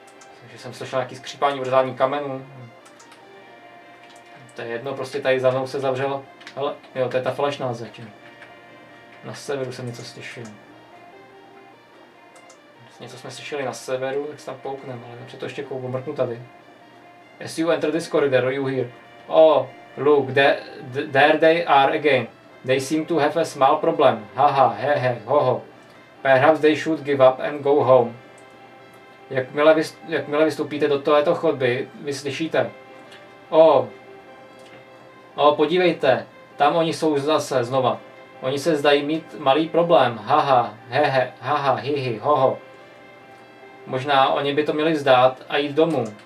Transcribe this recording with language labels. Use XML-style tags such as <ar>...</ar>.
<cs>Myslím, že jsem slyšel nějaký skřípání, vrzání kamenů. To je jedno, prostě tady za mnou se zavřelo. Ale jo, to je ta falešná zeď. Na severu jsem něco slyšel. Něco jsme slyšeli na severu, jak se tam poukneme, ale napřed to ještě kouknu, mrknu tady.</cs> <en>As you enter this corridor, you hear. Oh, look, there they are again. They seem to have a small problem. Haha, hehe, hoho. Perhaps they should give up and go home.</en> <cs>Jakmile vystoupíte do této chodby, vyslyšíte. Oh, podívejte, tam oni jsou zase, znova. Oni se zdají mít malý problém. Haha, hehe, haha, hihi, hoho. Možná oni by to měli vzdát a jít domů.</cs>